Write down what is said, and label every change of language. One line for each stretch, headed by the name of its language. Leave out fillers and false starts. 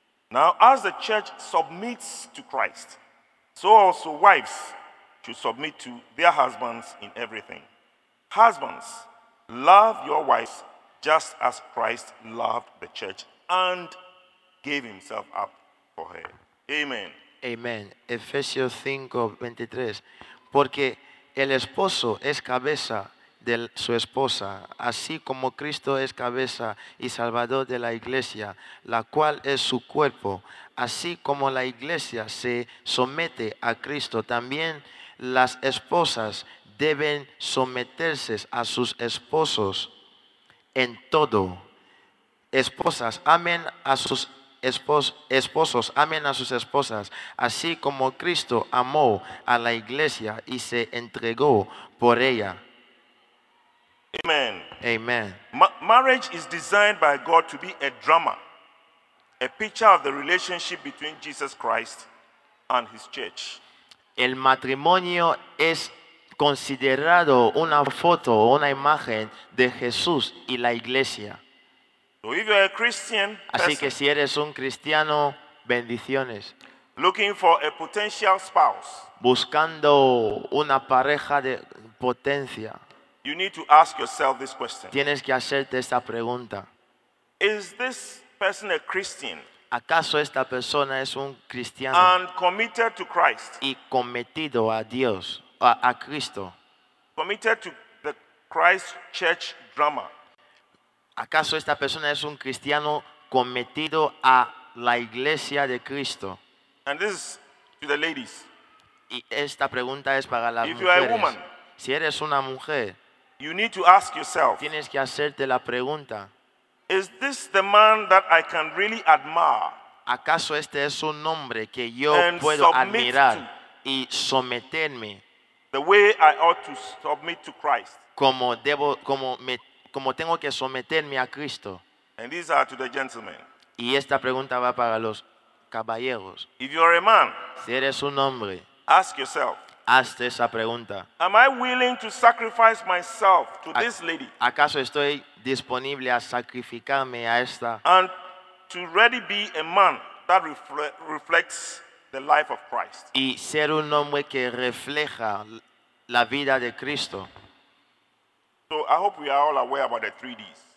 English: Now, as the church submits to Christ, so also wives should submit to their husbands in everything. Husbands, love your wives just as Christ loved the church and gave himself up for her. Amen. Amen. Ephesians 5:23.
Spanish: Porque el esposo es cabeza de su esposa, así como Cristo es cabeza y salvador de la iglesia, la cual es su cuerpo. Así como la iglesia se somete a Cristo, también las esposas deben someterse a sus esposos en todo. Esposas, amen a sus esposos, amen a sus esposas, así como Cristo amó a la iglesia y se entregó por ella. Amen. Amen.
English: Marriage is designed by God to be a drama, a picture of the relationship between Jesus Christ and his church.
Spanish: El matrimonio es considerado una foto, una imagen de Jesús y la iglesia.
English: So if you're a Christian,
Spanish: así que si eres un cristiano, bendiciones.
English: Looking for a potential spouse.
Spanish: Buscando una pareja de potencia.
English: You need to ask yourself this question.
Spanish: Tienes que hacerte esta pregunta.
English: Is this person a Christian?
Spanish: ¿Acaso esta persona es un cristiano?
English: And committed to Christ.
Spanish: Y cometido a Dios, a Cristo.
English: Committed to the Christ church drama.
Spanish: ¿Acaso esta persona es un cristiano cometido a la iglesia de Cristo?
English: And this is to the ladies.
Spanish: Y esta pregunta es para las
English: if
Spanish: mujeres.
English: You are a woman,
Spanish: si eres una mujer,
English: you need to ask yourself,
Spanish: tienes que hacerte la pregunta.
English: Is this the man that I can really admire?
Spanish: ¿Acaso este es un hombre que yo puedo admirar y someterme?
English: The way I ought to submit to Christ.
Spanish: Como tengo que someterme a Cristo.
English: And these are to the gentlemen.
Spanish: Y esta pregunta va para los caballeros.
English: If you are a man,
Spanish: si eres un hombre,
English: ask yourself,
Spanish: hazte esa pregunta.
English: Am I willing to sacrifice myself to this lady?
Spanish: ¿Acaso estoy disponible a sacrificarme a esta?
English: And to really be a man that reflects the life of Christ.
Spanish: Y ser un hombre que refleja la vida de Cristo.
English: So I hope we are all aware about the three D's.